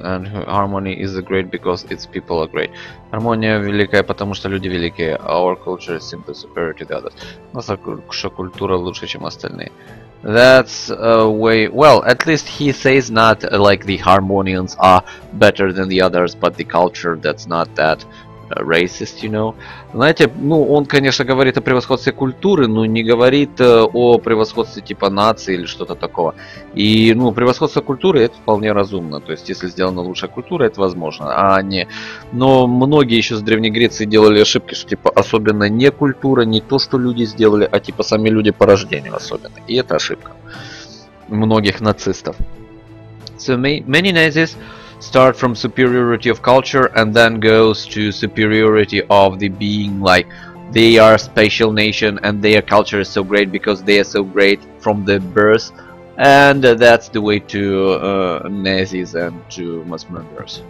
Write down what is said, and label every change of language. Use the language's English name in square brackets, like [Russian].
[English] And harmony is great because its people are great. [Russian] Гармония великая, потому что люди великие. [English] Our culture is simply superior to the others. [Russian] Наша культура лучше, чем остальные. [English] That's a way... Well, at least he says not like the Harmonians are better than the others, but the culture that's not that racist, you know. [Russian] Знаете, ну он, конечно, говорит о превосходстве культуры, но не говорит о превосходстве типа нации или что-то такого. И, ну, превосходство культуры это вполне разумно. То есть, если сделана лучшая культура, это возможно, а не... Но многие еще с Древней Греции делали ошибки, что типа особенно не культура, не то, что люди сделали, а типа сами люди по рождению особенно. И это ошибка многих нацистов. [English] So many nazis start from superiority of culture and then goes to superiority of the being, like they are a special nation and their culture is so great because they are so great from the birth, and that's the way to Nazis and to mass murderers.